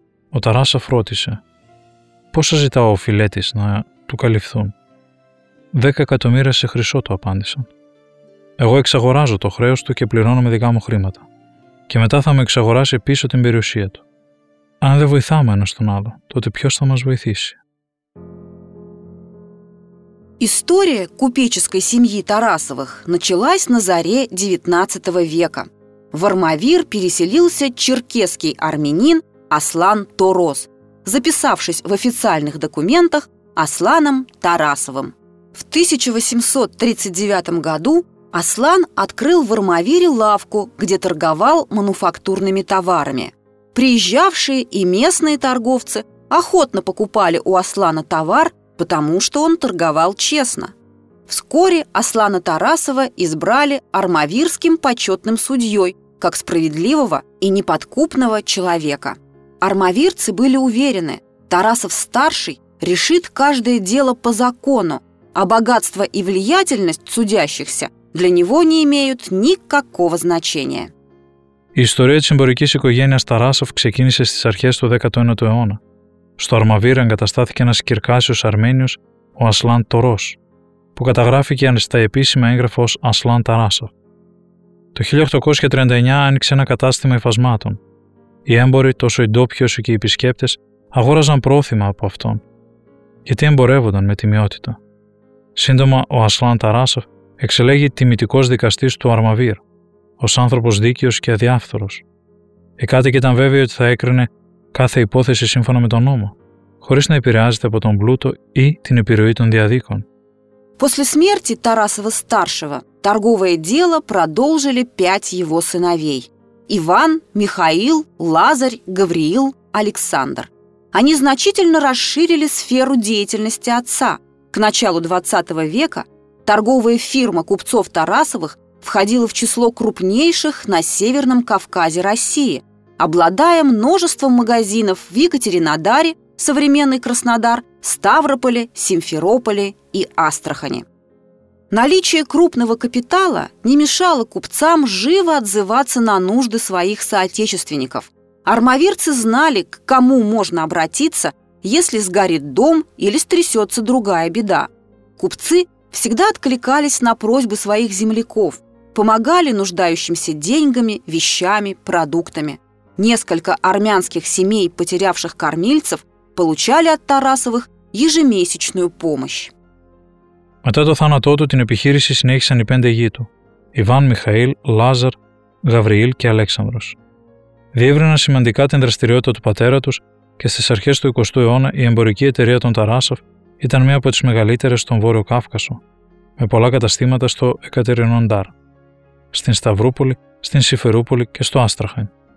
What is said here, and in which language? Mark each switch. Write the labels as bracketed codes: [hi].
[el] Ο Τάρασοφ ρώτησε, «Πόσα ζητά ο οφειλέτης να του καλυφθούν?» 10 εκατομμύρια σε χρυσό, του απάντησαν. Εγώ εξαγοράζω το χρέος του και πληρώνω με δικά μου χρήματα. Και μετά θα με εξαγοράσει πίσω την περιουσία του. Αν δεν βοηθάμε ένας τον άλλο, τότε ποιος θα μας βοηθήσει? [ru] История купеческой семьи Тарасовых началась на заре 19 века. В Армавир переселился черкесский армянин Аслан Торос, записавшись в официальных документах Асланом Тарасовым. В 1839 году Аслан открыл в Армавире лавку, где торговал мануфактурными товарами. Приезжавшие и местные торговцы охотно покупали у Аслана товар, потому что он торговал честно. Вскоре Аслана Тарасова избрали армавирским почетным судьей, как справедливого и неподкупного человека. Армавирцы были уверены, Тарасов-старший решит каждое дело по закону, а богатство и влиятельность судящихся для него не имеют никакого значения. [el] Η ιστορία της εμπορικής οικογένειας Τάρασοφ ξεκίνησε στις αρχές του 19ου αιώνα. Στο Αρμαβίρ εγκαταστάθηκε ένας κυρκάσιος Αρμένιος, ο Ασλάν Τορός, που καταγράφηκε στα επίσημα έγγραφα ως Ασλάν Τάρασοφ. Το 1839 άνοιξε ένα κατάστημα υφασμάτων. Οι έμποροι, τόσο οι ντόπιοι όσο και οι επισκέπτες, αγόραζαν πρόθυμα από αυτόν, γιατί εμπορεύονταν με τιμιότητα. Σύντομα, ο Ασλάν Τάρασοφ εξελέγει τιμητικός δικαστής του Αρμαβίρ, ως άνθρωπος δίκαιος και αδιάφθορος. Οι κάτοικοι ήταν βέβαιοι ότι θα έκρινε κάθε υπόθεση σύμφωνα με τον νόμο, χωρίς να επηρεάζεται από τον πλούτο ή την επιρροή των διαδίκων. [ru] После смерти Тарасова старшего Торговое дело продолжили 5 его сыновей – Иван, Михаил, Лазарь, Гавриил, Александр. Они значительно расширили сферу деятельности отца. К началу 20 века торговая фирма купцов Тарасовых входила в число крупнейших на Северном Кавказе России, обладая множеством магазинов в Екатеринодаре, современный Краснодар, Ставрополе, Симферополе и Астрахани. Наличие крупного капитала не мешало купцам живо отзываться на нужды своих соотечественников. Армавирцы знали, к кому можно обратиться, если сгорит дом или стрясется другая беда. Купцы всегда откликались на просьбы своих земляков, помогали нуждающимся деньгами, вещами, продуктами. Несколько армянских семей, потерявших кормильцев, получали от Тарасовых ежемесячную помощь. [el] Μετά το θάνατό του, την επιχείρηση συνέχισαν οι 5 γιοι του, Ιβάν, Μιχαήλ, Λάζαρ, Γαβριήλ και Αλέξανδρος. Διεύρυναν σημαντικά την δραστηριότητα του πατέρα τους και στις αρχές του 20ου αιώνα η εμπορική εταιρεία των Ταράσοφ ήταν μία από τις μεγαλύτερες στον Βόρειο Κάφκασο, με πολλά καταστήματα στο Εκατερινοντάρ, στην Σταυρούπολη, στην Σιφερούπολη και στο Άστραχαν.